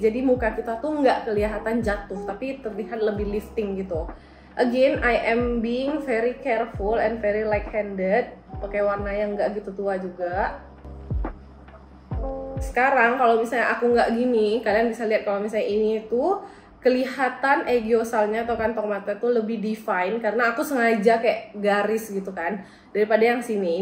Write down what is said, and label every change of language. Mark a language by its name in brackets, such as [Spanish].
[Indonesian] Jadi muka kita tuh nggak kelihatan jatuh, tapi terlihat lebih lifting gitu. [English] Again, I am being very careful and very light-handed. [Indonesian] Pakai warna yang nggak gitu tua juga. Sekarang kalau misalnya aku nggak gini, kalian bisa lihat kalau misalnya ini itu kelihatan egiosalnya atau kantong mata tuh lebih defined, karena aku sengaja kayak garis gitu kan, daripada yang sini.